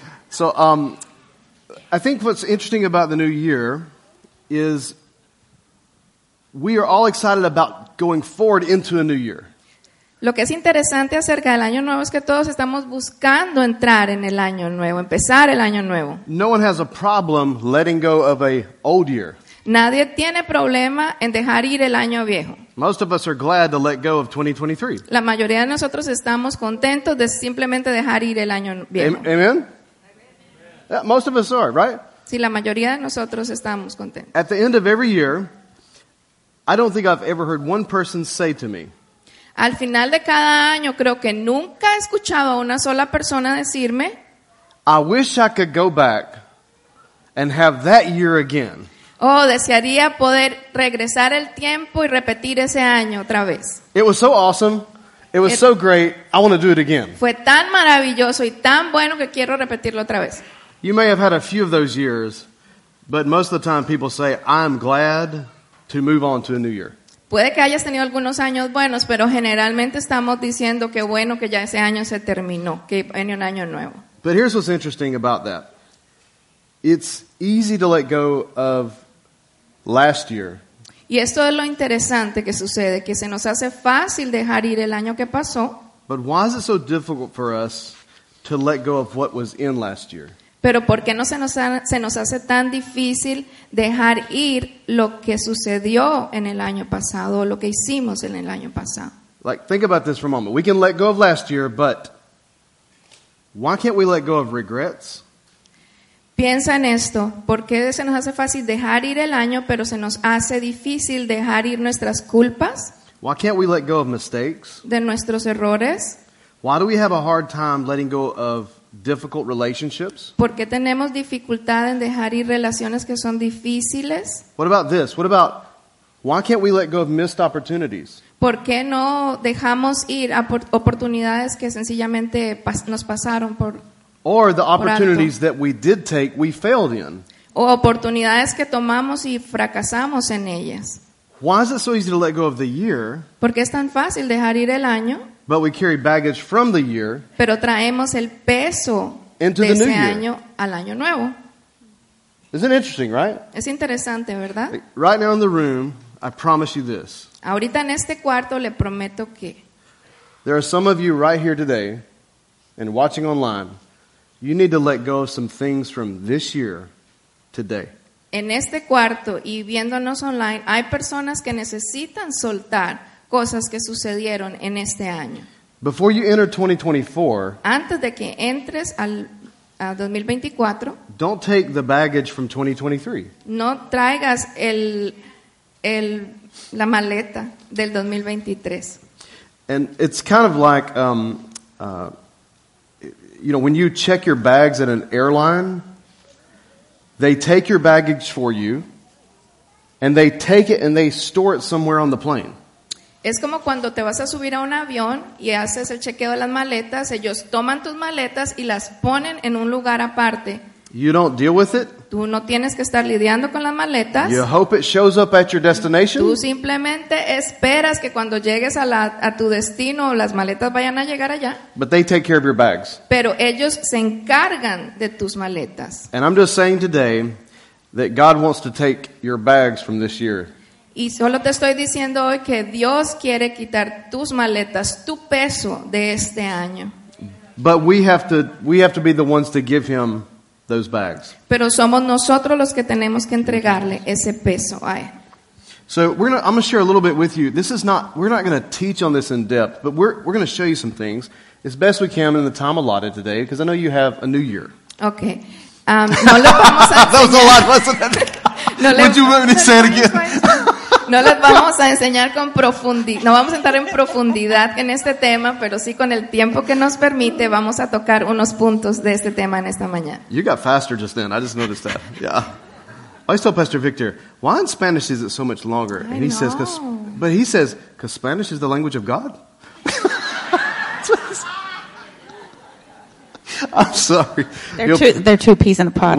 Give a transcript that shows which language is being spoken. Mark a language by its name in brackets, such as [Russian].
[English] So I think what's interesting about the new year is we are all excited about going forward into a new year. [Spanish] Lo que es interesante acerca del año nuevo es que todos estamos buscando entrar en el año nuevo, empezar el año nuevo. [English] No one has a problem letting go of a old year. [Spanish] Nadie tiene problema en dejar ir el año viejo. [English] Most of us are glad to let go of 2023. [Spanish] La mayoría de nosotros estamos contentos de simplemente dejar ir el año viejo. [English] Amen? Yeah, most of us are, right? [Spanish] Sí, la mayoría de nosotros estamos contentos. [English] At the end of every year, I don't think I've ever heard one person say to me, [Spanish] al final de cada año, creo que nunca he escuchado a una sola persona decirme, [English] I wish I could go back and have that year again. [Spanish] Oh, desearía poder regresar el tiempo y repetir ese año otra vez. [English] It was so awesome. It was so great. I want to do it again. [Spanish] Fue tan maravilloso y tan bueno que quiero repetirlo otra vez. [English] You may have had a few of those years, but most of the time people say, I'm glad to move on to a new year. [Spanish] Puede que hayas tenido algunos años buenos, pero generalmente estamos diciendo que bueno que ya ese año se terminó, que viene un año nuevo. [English] But here's what's interesting about that. It's easy to let go of last year. [Spanish] Y esto es lo interesante que sucede, que se nos hace fácil dejar ir el año que pasó. [English] But why is it so difficult for us to let go of what was in last year? [Spanish] Pero ¿por qué no se nos hace tan difícil dejar ir lo que sucedió en el año pasado o lo que hicimos en el año pasado? [English] Like, think about this for a moment. We can let go of last year, but why can't we let go of regrets? [Spanish] Piensa en esto. ¿Por qué se nos hace fácil dejar ir el año, pero se nos hace difícil dejar ir nuestras culpas? [English] Why can't we let go of mistakes? [Spanish] De nuestros errores. [English] Why do we have a hard time letting go of difficult relationships? [Spanish] ¿Por qué tenemos dificultad en dejar ir relaciones que son difíciles? [English] What about this? What about why can't we let go of missed opportunities? [Spanish] ¿Por qué no dejamos ir a oportunidades que sencillamente nos pasaron por [English] or the opportunities that we did take, we failed in? [Spanish] O oportunidades que tomamos y fracasamos en ellas. [English] Why is it so easy to let go of the year? [Spanish] ¿Por qué es tan fácil dejar ir el año? [English] But we carry baggage from the year. [Spanish] Pero traemos el peso [English] into [Spanish] de [English] the [Spanish] ese [English] new year. [Spanish] Año al año nuevo. [English] Isn't it interesting, right? [Spanish] Es interesante, ¿verdad? [English] Right now in the room, I promise you this. [Spanish] Ahorita en este cuarto le prometo que [English] there are some of you right here today and watching online. You need to let go of some things from this year today. [Spanish] En este cuarto y viéndonos online, hay personas que necesitan soltar cosas que sucedieron en este año. [English] Before you enter 2024, [Spanish] antes de que entres al 2024, [English] don't take the baggage from 2023. [Spanish] No traigas la maleta del 2023. [English] And it's kind of like you know, when you check your bags at an airline, they take your baggage for you and they take it and they store it somewhere on the plane. [Spanish] Es como cuando te vas a subir a un avión y haces el chequeo de las maletas, ellos toman tus maletas y las ponen en un lugar aparte. [English] You don't deal with it. [Spanish] Tú no tienes que estar lidiando con las maletas. [English] You hope it shows up at your destination. [Spanish] Tú simplemente esperas que cuando llegues a tu destino las maletas vayan a llegar allá. [English] But they take care of your bags. [Spanish] Pero ellos se encargan de tus maletas. [English] And I'm just saying today that God wants to take your bags from this year. [Spanish] Y solo te estoy diciendo hoy que Dios quiere quitar tus maletas, tu peso de este año. [English] But we have to be the ones to give him those bags. [Spanish] Pero somos nosotros los que tenemos que entregarle ese peso a él. [English] So I'm going to share a little bit with you. We're not going to teach on this in depth, but we're going to show you some things as best we can in the time allotted today, because I know you have a new year. [Spanish] Okay. No le vamos a enseñar. [English] That was a lot, wasn't it? Would you want me to say it again? [Spanish] No les vamos a enseñar con profundidad, no vamos a entrar en profundidad en este tema, pero sí con el tiempo que nos permite vamos a tocar unos puntos de este tema en esta mañana. [English] You got faster just then. I just noticed that. Yeah. I always tell Pastor Victor, why in Spanish is it so much longer? And he says, because Spanish is the language of God. I'm sorry. They're two peas in a pod.